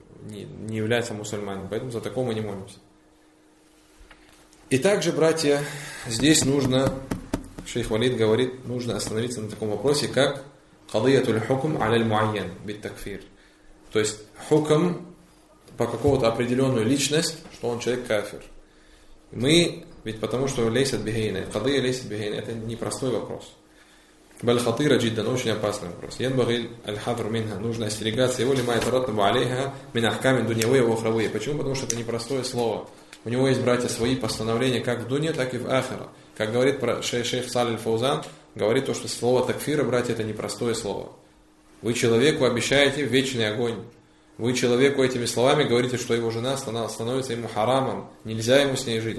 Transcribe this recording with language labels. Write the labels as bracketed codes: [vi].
[ru] не является мусульманином. Поэтому за такого мы не молимся. И также, братья, здесь нужно, шейх Валид говорит, нужно остановиться на таком вопросе, как [ar] قضيه الحكم على المعين بالتكفير. [ru] То есть хукм по какого-то определенную личность, что он человек кафир. Мы ведь потому что [ar] лейсят бихейна, قضيه лейсят бихейна, [ru] это непростой вопрос. [ar] بل خطيرة جدا, [ru] очень опасный вопрос. [ar] ينبغي الحذر منها, [ru] нужно остерегаться его, [ar] لما يترتب عليها من احكام دنيويه واخرويه. [ru] Почему? Потому что это непростое слово. У него есть, братья, свои постановления как в дунья, так и в ахира. Как говорит шейх Саль аль-Фаузан, говорит то, что слово такфира, братья, это непростое слово. Вы человеку обещаете вечный огонь. Вы человеку этими словами говорите, что его жена становится ему харамом. Нельзя ему с ней жить.